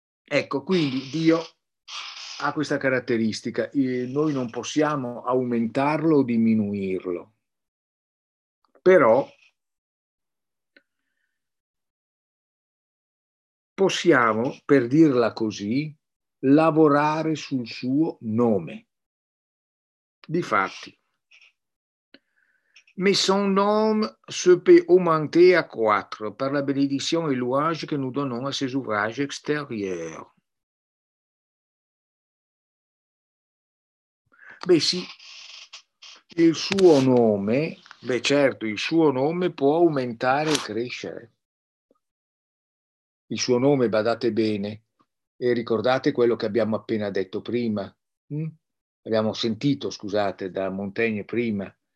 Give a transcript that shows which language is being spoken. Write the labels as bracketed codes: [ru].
[it] Ecco, quindi Dio ha questa caratteristica, noi non possiamo aumentarlo o diminuirlo, però possiamo, per dirla così, lavorare sul suo nome. [fr] Difatti, mais son nom se peut augmenter à quatre par la bénédiction et louange que nous donnons à ses ouvrages extérieurs. [it] Beh sì, il suo nome, beh certo, il suo nome può aumentare e crescere. Il suo nome, badate bene, e ricordate quello che abbiamo appena detto prima, abbiamo sentito, scusate, da Montaigne prima.